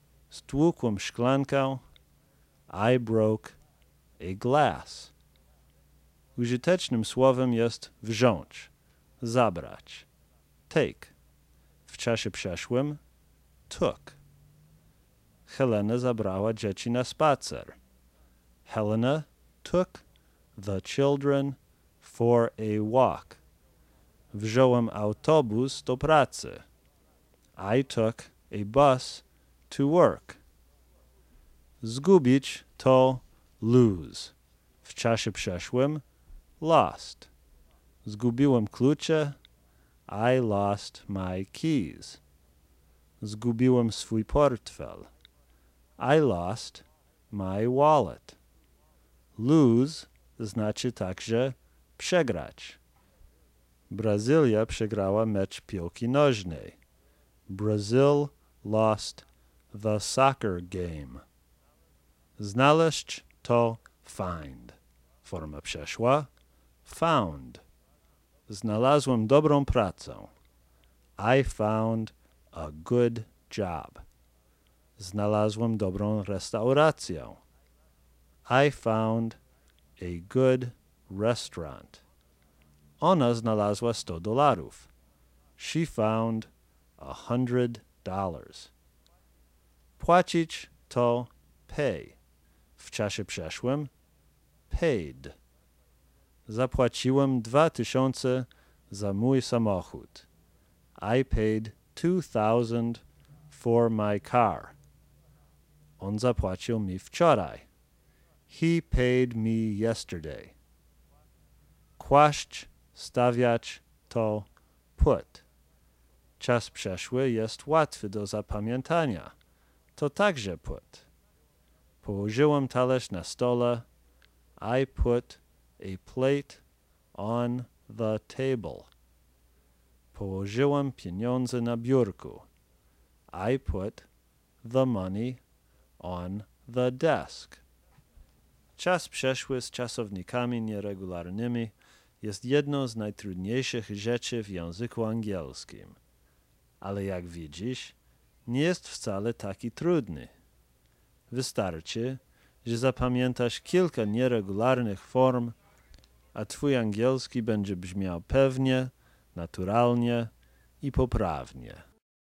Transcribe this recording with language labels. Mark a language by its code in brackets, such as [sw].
[pl] Stłukłem szklankę. [en] I broke a glass. [pl] Użytecznym słowem jest wziąć, zabrać. Take. W czasie przeszłym took. Helena zabrała dzieci na spacer. [en] Helena took the children for a walk. [pl] Wziąłem autobus do pracy. [en] I took a bus to work. [pl] Zgubić to lose. W czasie przeszłym lost. Zgubiłem klucze. [en] I lost my keys. [pl] Zgubiłem swój portfel. [en] I lost my wallet. [pl] Lose znaczy także przegrać. Brazylia przegrała mecz piłki nożnej. [en] Brazil lost the soccer game. [pl] Znaleźć to find. Forma przeszła. Found. Znalazłem dobrą pracę. [en] I found a good job. [pl] Znalazłem dobrą restaurację. [en] I found a good restaurant. [pl] Ona znalazła $100. [en] She found $100. [pl] Płacić to pay. W czasie przeszłym paid. Zapłaciłem 2000 za mój samochód. [en] I paid 2000 for my car. [pl] On zapłacił mi wczoraj. [en] He paid me yesterday. [pl] Kłaść, stawiać to put. Czas przeszły jest łatwy do zapamiętania. To także put. Położyłem talerz na stole. [en] I put a plate on the table. [pl] Położyłem pieniądze na biurku. [en] I put the money on the desk. [pl] Czas przeszły z czasownikami nieregularnymi jest jedną z najtrudniejszych rzeczy w języku angielskim. Ale jak widzisz, nie jest wcale taki trudny. Wystarczy, że zapamiętasz kilka nieregularnych form, a twój angielski będzie brzmiał pewnie, naturalnie i poprawnie.